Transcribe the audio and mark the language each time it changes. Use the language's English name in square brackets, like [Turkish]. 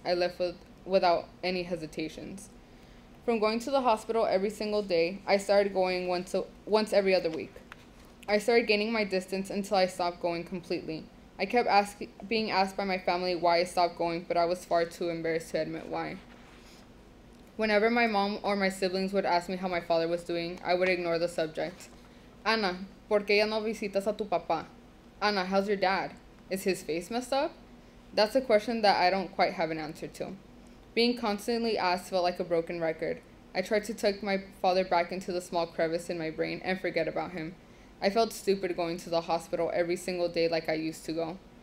[English] I left without any hesitations. From going to the hospital every single day, I started going once every other week. I started gaining my distance until I stopped going completely. I kept being asked by my family why I stopped going, but I was far too embarrassed to admit why. Whenever my mom or my siblings would ask me how my father was doing, I would ignore the subject. [Spanish] Ana, ¿por qué ya no visitas a tu papá? [English] Ana, how's your dad? Is his face messed up? That's a question that I don't quite have an answer to. Being constantly asked felt like a broken record. I tried to tuck my father back into the small crevice in my brain and forget about him. I felt stupid going to the hospital every single day like I used to go.